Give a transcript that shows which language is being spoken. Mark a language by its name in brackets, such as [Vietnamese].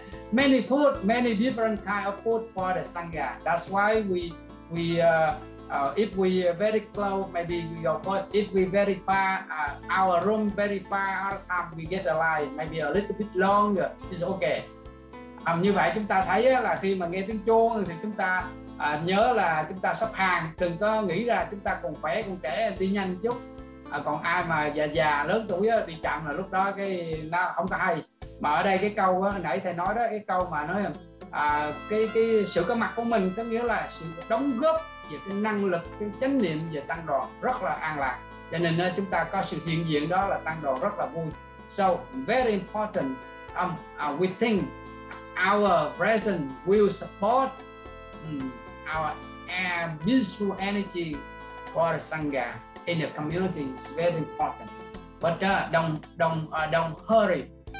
[English] Many food, many different kind of food for the Sangha. That's why if we are very close, maybe we go first. If we very far, our room very far, all the time we get a line, maybe a little bit longer, it's okay. [Vietnamese] Như vậy chúng ta thấy là khi mà nghe tiếng chuông thì chúng ta nhớ là chúng ta sắp hàng, đừng có nghĩ là chúng ta còn khỏe, còn trẻ, đi nhanh chút. Còn ai mà già lớn tuổi thì chậm là lúc đó cái nó không có hay. Mà ở đây cái câu nãy thầy nói đó, cái câu mà nói cái sự có mặt của mình có nghĩa là sự đóng góp về cái năng lực, cái chánh niệm về tăng đoàn rất là an lạc. Cho nên chúng ta có sự hiện diện đó là tăng đoàn rất là vui. [English] So very important, we think our presence will support our visual energy for Sangha in the community is very important. But don't hurry.